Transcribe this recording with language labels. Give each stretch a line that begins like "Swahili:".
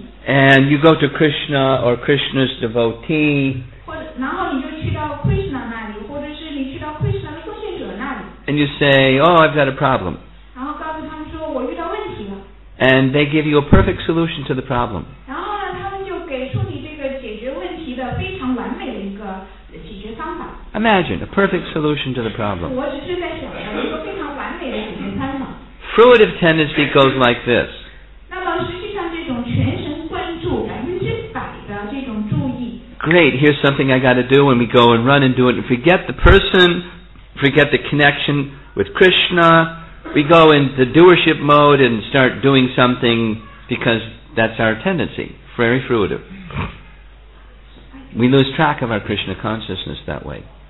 English: And you go to Krishna or Krishna's devotee. And you say, oh, I've got a problem.
Chinese: 然后告诉他们说,
English: And they give you a perfect solution to the problem.
Chinese: 然后呢，他们就给出你这个解决问题的非常完美的一个解决方法。
English: Imagine a perfect solution to the problem.
Chinese: 我只是在想着一个非常完美的解决方法。
English: Fruitive tendency goes like this.
Chinese: 那么实际上这种全神贯注100%的这种注意。
English: Great, here's something I got to do, and we go and run and do it, and forget the person, forget the connection with Krishna. We go in the doership mode and start doing something because that's our tendency. Very fruitive. We lose track of our Krishna consciousness that way.